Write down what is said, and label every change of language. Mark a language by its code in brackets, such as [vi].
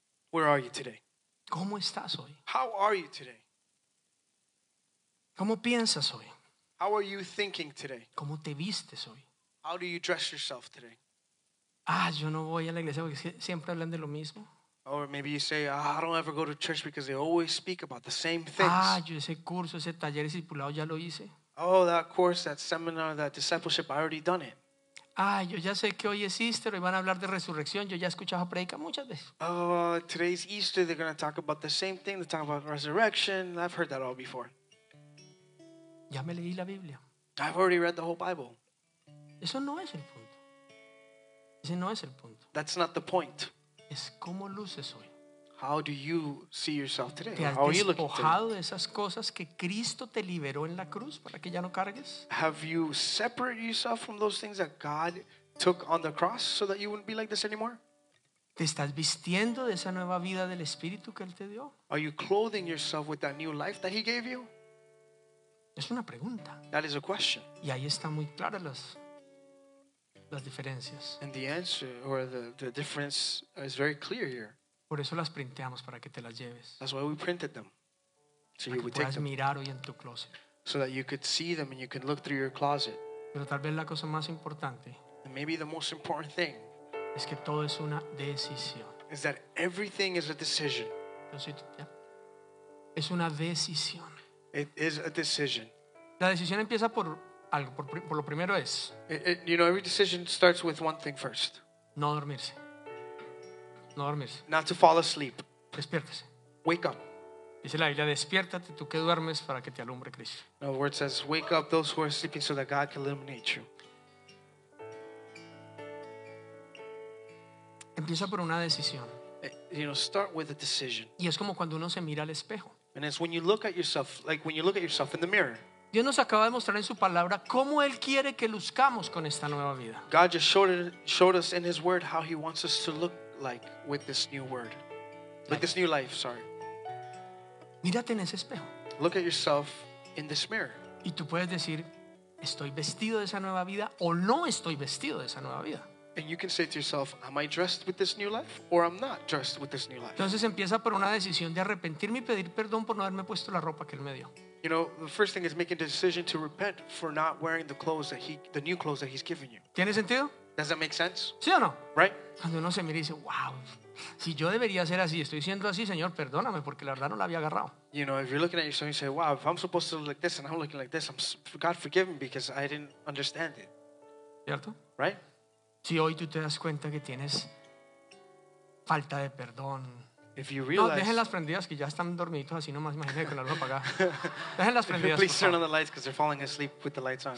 [en] Where are you today? [es] ¿Cómo estás hoy? [en] How are you today? [es] ¿Cómo piensas hoy? [en] How are you thinking today? [es] ¿Cómo te vistes hoy? [en] How do you dress yourself today? [es] Ah, yo no voy a la iglesia porque siempre hablan de lo mismo. [en] Or maybe you say, oh, I don't ever go to church because they always speak about the same things. [es] Ah, yo ese curso, ese taller, ese discipulado ya lo hice. [en] Oh, that course, that seminar, that discipleship, I already done it. [es] Ah, yo ya sé que hoy es Easter, hoy van a hablar de resurrección. Yo ya he escuchado esa predica muchas veces. [en] Oh, today's Easter, they're going to talk about the same thing. They're talking about resurrection. I've heard that all before. [es] Ya me leí la Biblia. [en] I've already read the whole Bible. [es] Eso no es el punto. Ese no es el punto. [en] That's not the point. [es] Es cómo luces hoy. [en] How do you see yourself today? [es] ¿Te has despojado de esas cosas que Cristo te liberó en la cruz para que ya no cargues? [en] Have you separated yourself from those things that God took on the cross so that you wouldn't be like this anymore? [es] ¿Te estás vistiendo de esa nueva vida del Espíritu que Él te dio? [en] Are you clothing yourself with that new life that He gave you? [es] Es una pregunta. [en] That is a question. [es] Y ahí están muy claras las diferencias. [en] And the answer or the difference is very clear here. [es] Por eso las printeamos para que te las lleves. [en] That's why we printed them. So you would take them. [es] Mirar hoy en tu closet. [en] So that you could see them and you could look through your closet. [es] Pero tal vez la cosa más importante. [en] And maybe the most important thing. [es] Es que todo es una decisión. [en] is that everything is a decision. [es] Es una decisión. [en] It is a decision. [es] La decisión empieza por algo, por lo primero es. [en] You know, every decision starts with one thing first. [es] No dormirse. No dormirse. [en] Not to fall asleep. [es] Despiértese. [en] Wake up. [es] Dice la Biblia, despiértate tú que duermes para que te alumbre Cristo. [en] No, the word says, wake up those who are sleeping so that God can illuminate you. [es] Empieza por una decisión. [en] You know, start with a decision. [es] Y es como cuando uno se mira al espejo. [en] And it's when you look at yourself, like when you look at yourself in the mirror. [es] Dios nos acaba de mostrar en su palabra cómo él quiere que luzcamos con esta nueva vida. [en] God just showed us in his word how he wants us to look like with this new word. With this new life, sorry. [es] Mírate en ese espejo. [en] Look at yourself in this mirror. [es] Y tú puedes decir, estoy vestido de esa nueva vida o no estoy vestido de esa nueva vida. [en] And you can say to yourself, am I dressed with this new life or am I not dressed with this new life? [es] Entonces empieza por una decisión de arrepentirme y pedir perdón por no haberme puesto la ropa que él me dio. [en] You know, the first thing is making a decision to repent for not wearing the clothes that the new clothes that he's given you. [es] ¿Tiene sentido? [en] Does that make sense? [es] ¿Sí o no? [en] Right? [es] Cuando uno se mira y dice, wow, si yo debería ser así, estoy siendo así, Señor, perdóname porque la verdad no la había agarrado. [en] You know, if you're looking at yourself and you say, wow, if I'm supposed to look like this and I'm looking like this, God forgive me because I didn't understand it. [es] ¿Cierto? [en] Right? [es] Si hoy tú te das cuenta que tienes falta de perdón. [en] If you realize, [es] no, dejen las prendidas que ya están dormiditos así nomás, imagínate con la luz apagada. Dejen las prendidas. [en] Please turn on the lights because they're falling asleep with the lights on.